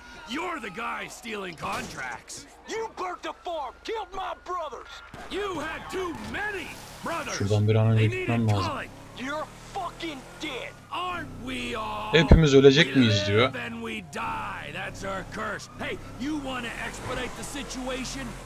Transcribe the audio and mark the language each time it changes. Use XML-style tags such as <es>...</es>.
<en>You're the guy stealing contracts. You burnt the farm, killed my brothers. You had too many brothers.</en> <tr>Şuradan bir an önce gitmem lazım.</tr> <en>You're fucking dead. Aren't we all?</en> <tr>Hepimiz ölecek miyiz diyor.</tr> <en>Then we die. That's our curse. Hey, you want to expedite the situation?</en>